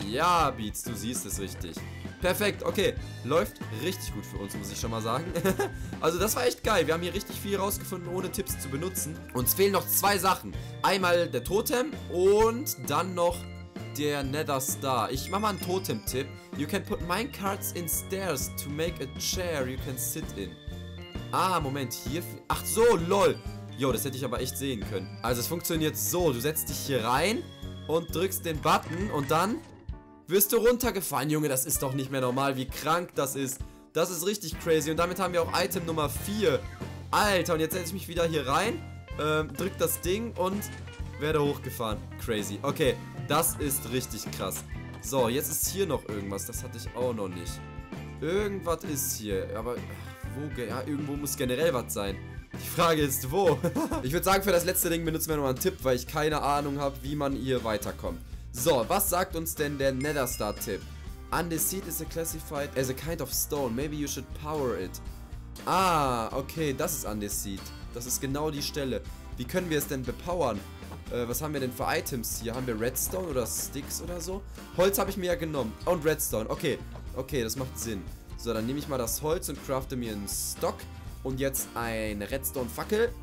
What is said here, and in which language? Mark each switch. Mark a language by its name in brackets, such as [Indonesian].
[German] Ja, Beats, du siehst es richtig. Perfekt, okay. Läuft richtig gut für uns, muss ich schon mal sagen. Also das war echt geil. Wir haben hier richtig viel rausgefunden, ohne Tipps zu benutzen. Uns fehlen noch zwei Sachen. Einmal der Totem und dann noch der Nether Star. Ich mache mal einen Totem-Tipp. [English] You can put minecarts in stairs to make a chair you can sit in. [German] Ah, Moment, hier... Ach so, lol. Yo, das hätte ich aber echt sehen können. Also es funktioniert so, du setzt dich hier rein und drückst den Button und dann... Wirst du runtergefallen, Junge, das ist doch nicht mehr normal, wie krank das ist. Das ist richtig crazy und damit haben wir auch Item Nummer 4. Alter, und jetzt setze ich mich wieder hier rein, drück das Ding und werde hochgefahren. Crazy, okay, das ist richtig krass. So, jetzt ist hier noch irgendwas, das hatte ich auch noch nicht. Irgendwas ist hier, aber ach, wo, ja, irgendwo muss generell was sein. Die Frage ist, wo? Ich würde sagen, für das letzte Ding benutzen wir nochmal einen Tipp, weil ich keine Ahnung habe, wie man hier weiterkommt. So, was sagt uns denn der Netherstar-Tipp? [English] Andesit is a classified as a kind of stone. Maybe you should power it. [German] Ah, okay, das ist Andesit. Das ist genau die Stelle. Wie können wir es denn bepowern? Was haben wir denn für Items hier? Haben wir Redstone oder Sticks oder so? Holz habe ich mir ja genommen. Und Redstone, okay. Okay, das macht Sinn. So, dann nehme ich mal das Holz und crafte mir einen Stock. Und jetzt eine Redstone-Fackel.